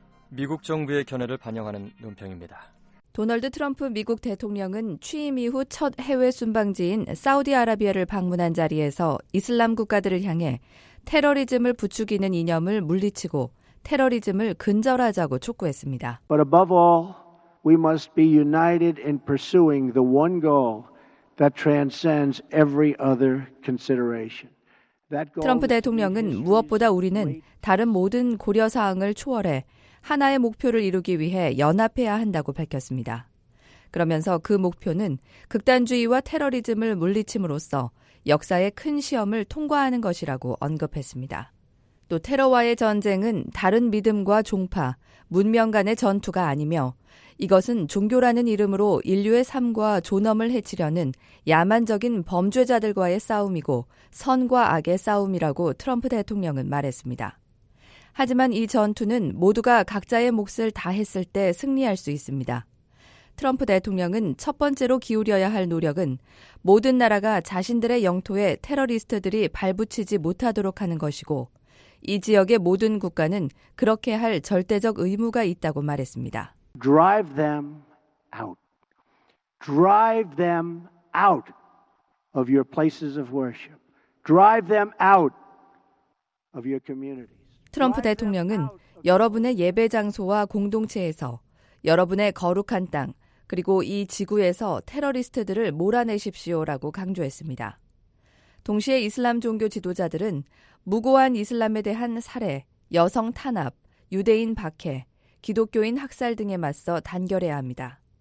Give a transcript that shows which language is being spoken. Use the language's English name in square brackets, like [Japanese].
[Korean] 미국 정부의 견해를 반영하는 논평입니다. 도널드 트럼프 미국 대통령은 취임 이후 첫 해외 순방지인 사우디아라비아를 방문한 자리에서 이슬람 국가들을 향해 테러리즘을 부추기는 이념을 물리치고 테러리즘을 근절하자고 촉구했습니다. [English] But above all, we must be united in pursuing the one goal that transcends every other consideration. [Korean] 트럼프 대통령은 무엇보다 우리는 다른 모든 고려 사항을 초월해 하나의 목표를 이루기 위해 연합해야 한다고 밝혔습니다. 그러면서 그 목표는 극단주의와 테러리즘을 물리침으로써 역사의 큰 시험을 통과하는 것이라고 언급했습니다. 또 테러와의 전쟁은 다른 믿음과 종파, 문명 간의 전투가 아니며 이것은 종교라는 이름으로 인류의 삶과 존엄을 해치려는 야만적인 범죄자들과의 싸움이고 선과 악의 싸움이라고 트럼프 대통령은 말했습니다. 하지만 이 전투는 모두가 각자의 몫을 다했을 때 승리할 수 있습니다. 트럼프 대통령은 첫 번째로 기울여야 할 노력은 모든 나라가 자신들의 영토에 테러리스트들이 발붙이지 못하도록 하는 것이고 이 지역의 모든 국가는 그렇게 할 절대적 의무가 있다고 말했습니다. [English] Drive them out. Drive them out of your places of worship. Drive them out of your community. [Korean] 트럼프 대통령은 여러분의 예배 장소와 공동체에서 여러분의 거룩한 땅 그리고 이 지구에서 테러리스트들을 몰아내십시오라고 강조했습니다. 동시에 이슬람 종교 지도자들은 무고한 이슬람에 대한 살해, 여성 탄압, 유대인 박해, 기독교인 학살 등에 맞서 단결해야 합니다.